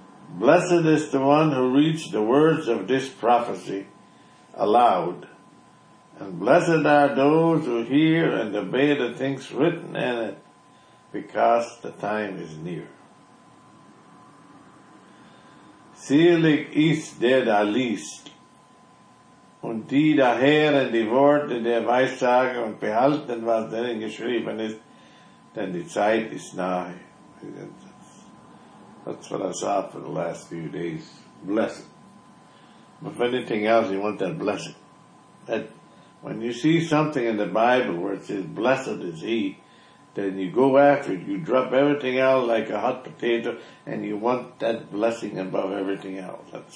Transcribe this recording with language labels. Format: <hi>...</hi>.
<en>Blessed is the one who reads the words of this prophecy aloud. And blessed are those who hear and obey the things written in it, because the time is near.</en> <de>Selig is der da liest, und die da hören die Worte der Weissage und behalten, was darin geschrieben ist, denn die Zeit ist nahe.</de> <en>That's what I saw for the last few days. Blessed. If anything else, you want that blessing. That when you see something in the Bible where it says, blessed is he, then you go after it, you drop everything else like a hot potato, and you want that blessing above everything else.</en>